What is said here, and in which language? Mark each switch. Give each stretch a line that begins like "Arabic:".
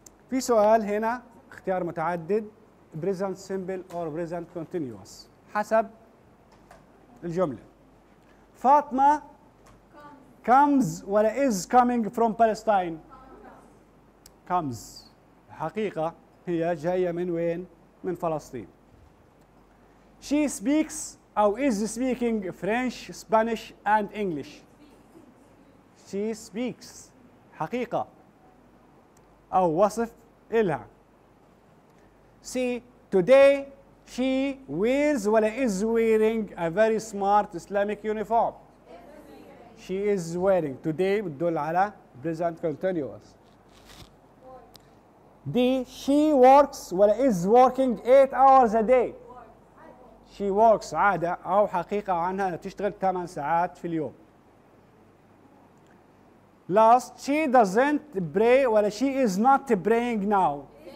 Arabic: في سؤال هنا اختيار متعدد
English: present simple or present continuous
Arabic: حسب الجملة.
English: فاطمة comes
Arabic: ولا
English: is coming from Palestine؟ comes.
Arabic: حقيقة هي جاية من وين؟ من فلسطين.
English: She speaks or is speaking French, Spanish and English. She speaks.
Arabic: حقيقة أو وصف إلها.
English: See, today she wears
Arabic: ولا
English: is wearing a very smart Islamic uniform. She is wearing. Today
Arabic: بتدل على
English: present continuous. D, she works
Arabic: ولا
English: is working 8 hours a day. She works
Arabic: عادة أو حقيقة عنها تشتغل 8 ساعات في اليوم.
English: Last, she doesn't pray
Arabic: ولا
English: she is not praying now.